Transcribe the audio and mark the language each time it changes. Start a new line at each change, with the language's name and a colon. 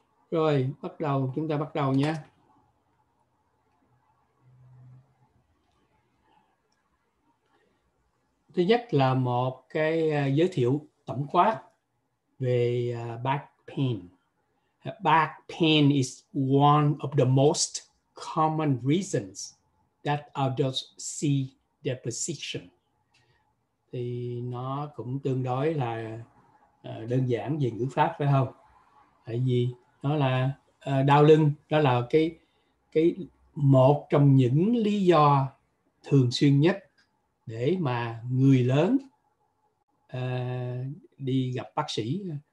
Vietnamese: Rồi, chúng ta bắt đầu nhé. Thứ nhất là một cái giới thiệu tổng quát về back pain.
English: Back pain is one of the most common reasons that adults see their position.
Vietnamese: Thì nó cũng tương đối là đơn giản về ngữ pháp phải không? Tại vì nó là đau lưng, đó là cái một trong những lý do thường xuyên nhất để mà người lớn đi gặp bác sĩ.